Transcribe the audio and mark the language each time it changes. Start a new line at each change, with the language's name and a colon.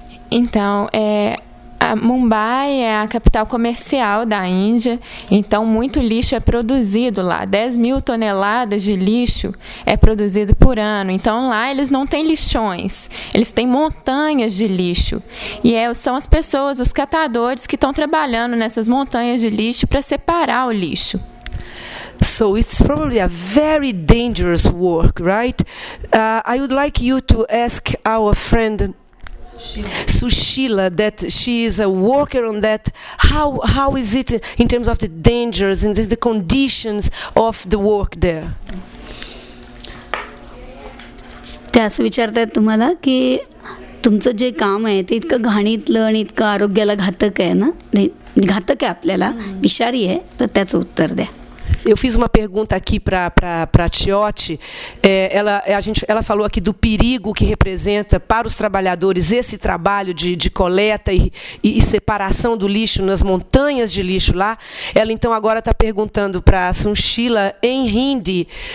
Portuguese: Então, a Mumbai é a capital comercial da Índia, então muito lixo é produzido lá. 10 mil toneladas de lixo é produzido por ano. Então lá eles não têm lixões, eles têm montanhas de lixo. E são as pessoas, os catadores, que estão trabalhando nessas montanhas de lixo para separar o lixo.
English: So it's probably a very dangerous work, right? I would like you to ask our friend Sushila, that she is a worker on that. How is it in terms of the dangers and the conditions of the work there?
Marathi: त्यास विचारतात तुम्हाला की तुमचं जे काम आहे ते इतकं घाणीतलं आणि इतकं आरोग्याला घातक आहे ना, नाही घातक आहे आपल्याला, विषारी आहे, तर त्याचं उत्तर द्या.
Portuguese: Eu fiz uma pergunta aqui para a Tioti. Ela falou aqui do perigo que representa para os trabalhadores esse trabalho de coleta e separação do lixo nas montanhas de lixo lá. Ela então agora está perguntando para a Sushila em Hindi?